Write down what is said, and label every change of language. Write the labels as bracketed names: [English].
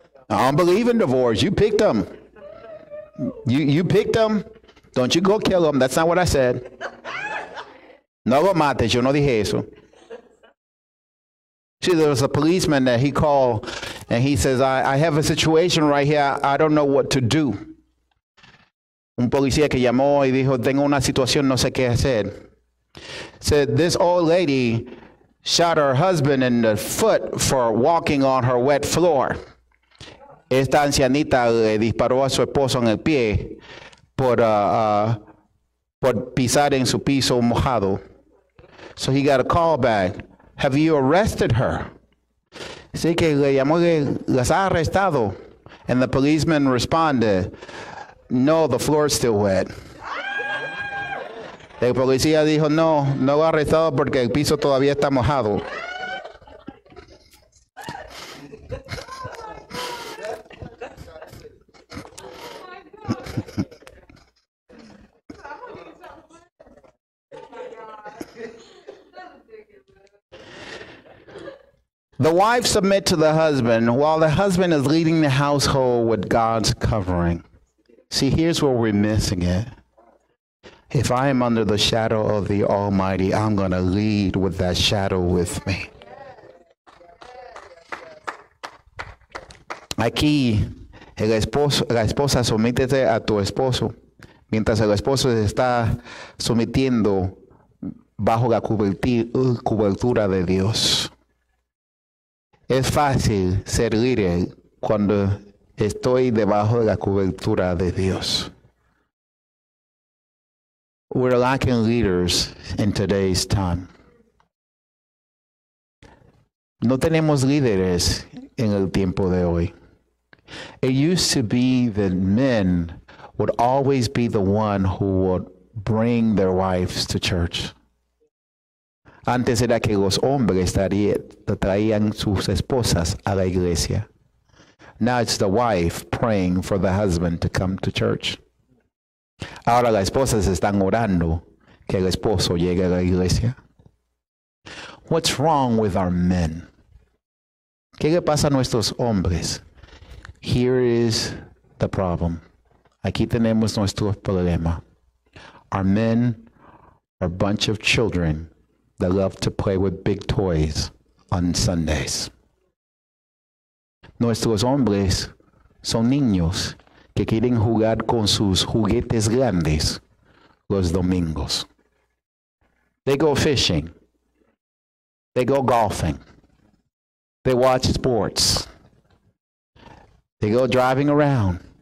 [English] I don't believe in divorce. You picked him. You picked him. Don't you go kill him. That's not what I said. [Spanish] No lo mates. Yo no dije eso. [English] See, there was a policeman that he called, and he says, I have a situation right here. I don't know what to do. [Spanish] Un policía que llamó y dijo, tengo una situación, no sé qué hacer. [English] Said this old lady shot her husband in the foot for walking on her wet floor. [Spanish] Esta ancianita le disparó a su esposo en el pie por pisar en su piso mojado. [English] So he got a call back. Have you arrested her? [Spanish] Así que le llamó, las ha arrestado. [English] And the policeman responded, no, the floor is still wet. [Spanish] El policía dijo, no, no lo ha arrestado porque el piso todavía está mojado. [English] The wife submit to the husband while the husband is leading the household with God's covering. See, here's where we're missing it. If I am under the shadow of the Almighty, I'm going to lead with that shadow with me. [Spanish] Aquí, el esposo, la esposa sométete a tu esposo mientras el esposo se está sometiendo bajo la cobertura de Dios. Es fácil ser líder cuando estoy debajo de la cobertura de Dios. [English] We're lacking leaders in today's time. [Spanish] No tenemos líderes en el tiempo de hoy. [English] It used to be that men would always be the one who would bring their wives to church. [Spanish] Antes era que los hombres traían sus esposas a la iglesia. [English] Now it's the wife praying for the husband to come to church. [Spanish] Ahora las esposas están orando que el esposo llegue a la iglesia. [English] What's wrong with our men? [Spanish] ¿Qué le pasa a nuestros hombres? [English] Here is the problem. [Spanish] Aquí tenemos nuestro problema. [English] Our men are a bunch of children that love to play with big toys on Sundays. [Spanish] Nuestros hombres son niños que quieren jugar con sus juguetes grandes los domingos. [English] They go fishing. They go golfing. They watch sports. They go driving around.